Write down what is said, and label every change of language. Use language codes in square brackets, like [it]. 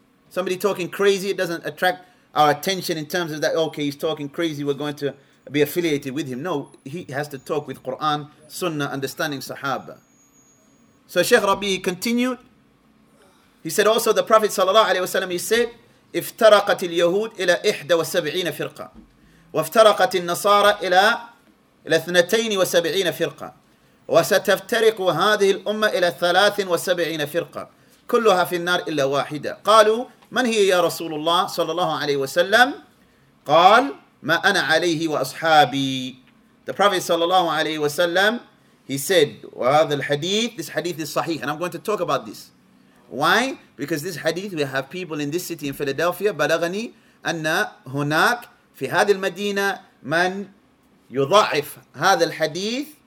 [en] Somebody talking crazy, it doesn't attract our attention in terms of that, okay, he's talking crazy, we're going to be affiliated with him. No, he has to talk with Quran, Sunnah, understanding Sahaba. So Sheikh Rabi, he continued. He said also, the Prophet sallallahu alayhi wa sallam, he said, [ar] افترقت اليهود إلى 71 فرقة وافترقت النصارى إلى 72 فرقة وستفترق هذه الأمة إلى 73 فرقة كلها في النار إلا واحدة. قالوا من هي يا رسول الله صلى الله عليه وسلم؟ قال ما أنا عليه وأصحابي. [en] The Prophet صلى الله عليه وسلم he said, [ar] وهذا الحديث [en] this hadith is صحيح, and I'm going to talk about this. Why? Because this hadith, we have people in this city in Philadelphia [ar] بلغني أن هناك في هذه المدينة من يضعف هذا الحديث.